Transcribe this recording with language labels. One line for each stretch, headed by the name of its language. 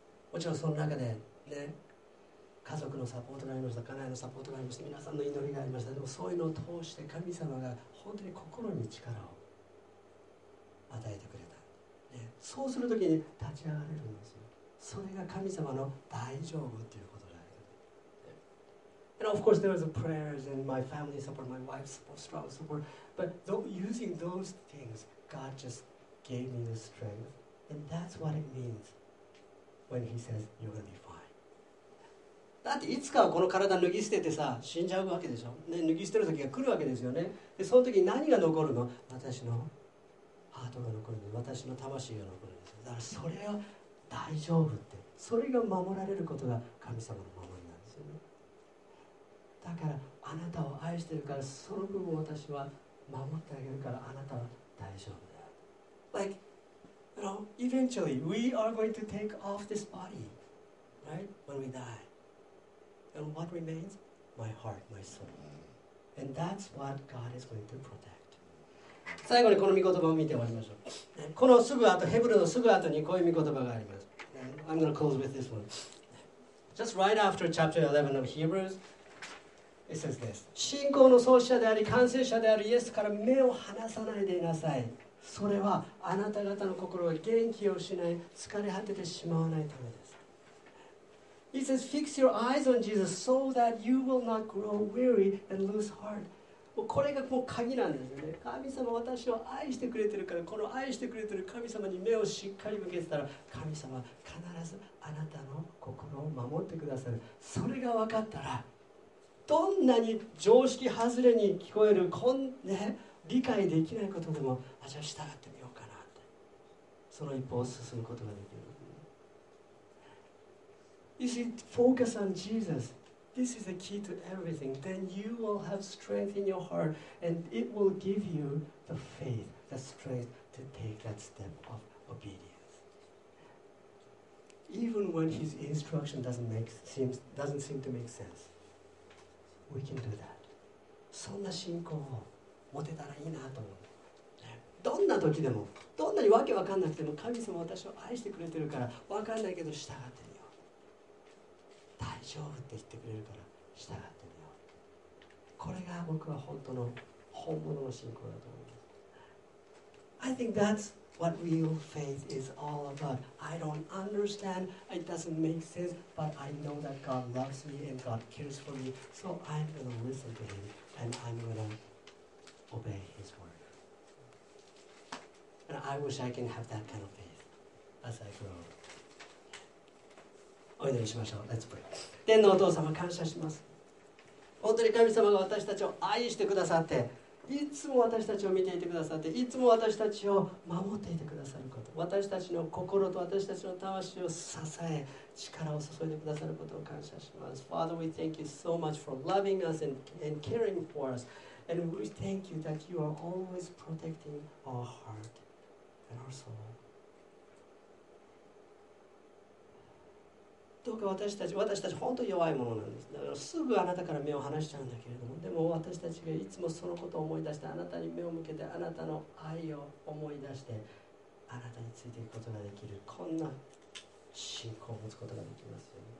Japanese: もちろんその中で、ね、家族のサポートがありました、家内のサポートがありました、皆さんの祈りがありました。でもそういうのを通して神様が本当に心に力を与えてくれた。ね、そうするときに立ち上がれるんですよ。それが神様の大丈夫ということだ。
English: And of course, there was prayers and my family support, my wife's support, strong support. But using those things, God just gave me the strength. And that's what it means when He says, "You're gonna be fine."
Japanese: だっていつかこの体脱ぎ捨ててさ、死んじゃうわけでしょ。ね、脱ぎ捨てる時が来るわけですよね。で、その時に何が残るの？私のハートが残るの。私の魂が残るんですよ。だからそれを大丈夫って、それが守られることが神様の守りなんですよね。だからあなたを愛してるから、その部分を私は守ってあげるから、あなたは大丈夫だ。
English: Like, you know, eventually we are going to take off this body, right? When we die. And what remains? My heart, my soul. And that's what God is going to protect.
Japanese: 最後にこの御言葉を見て終わりましょう。このすぐ後、ヘブルのすぐ後にこういう御言葉があります。
English: I'm going to close with this one. Just right after chapter 11 of Hebrews, It says this.
Japanese: 信仰の創始者であり完成者であるイエスから目を離さないでいなさい。それはあなた方の心が元気を失い疲れ果ててしまわないためです。
English: He says, fix your eyes on Jesus so that you will not grow weary and lose heart.
Japanese: もうこれがもう鍵なんですね。神様私を愛してくれてるから、この愛してくれてる神様に目をしっかり向けてたら、神様は必ずあなたの心を守ってくださる。それが分かったら、どんなに常識外れに聞こえる、理解できないことでも、あ、じゃあ従ってみようかなって。その一歩を進むことができる。
English: You see, focus on Jesus. This is the key to everything. Then you will have strength in your heart, and it will give you the faith, the strength to take that step of obedience. Even when his instruction doesn't seem to make sense, we can do that.
Japanese: そんな信仰を持てたらいいなと思う。どんな時でも、どんなにわけわかんなくても、神様は私を愛してくれてるから、わかんないけど従って。大丈夫って言ってくれるから従ってみよう。これが僕は本物の信仰だと思います。
English: I think that's what real faith is all about. I don't understand. It doesn't make sense. But I know that God loves me and God cares for me. So I'm going to listen to Him and I'm going to obey His word. And I wish I can have that kind of faith as I grow.
Japanese: お祈りしましょう。
English: Let's pray.
Japanese: 天のお父様、感謝します。本当に神様が私たちを愛してくださって、いつも私たちを見ていてくださって、いつも私たちを守っていてくださること、私たちの心と私たちの魂を支え、力を注いでくださることを感謝します。
English: Father, we thank you so much for loving us and caring for us. And we thank you that you are always protecting our heart and our soul.
Japanese: どうか私たち本当に弱いものなんです。だからすぐあなたから目を離しちゃうんだけれども、でも私たちがいつもそのことを思い出して、あなたに目を向けて、あなたの愛を思い出して、あなたについていくことができる、こんな信仰を持つことができますよ、ね。